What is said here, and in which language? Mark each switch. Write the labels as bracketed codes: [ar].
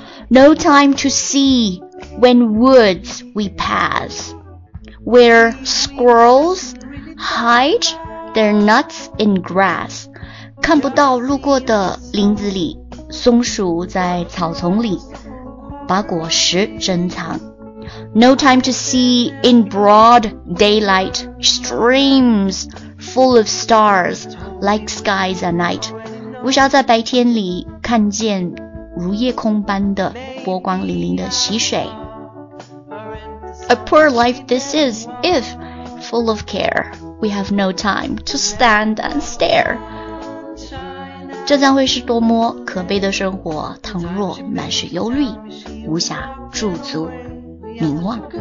[en] No time to see when woods we pass, where squirrels hide their nuts in grass, [zh] 看不到路过的林子里，松鼠在草丛里把果实珍藏。 [en] No time to see in broad daylight streams full of stars like skies at night. [zh] 无暇在白天里看见如夜空般的波光粼粼的溪水。 [en] A poor life this is if full of care. We have no time to stand and stare. [zh] 这将会是多么可悲的生活，倘若满是忧虑，无暇驻足凝望。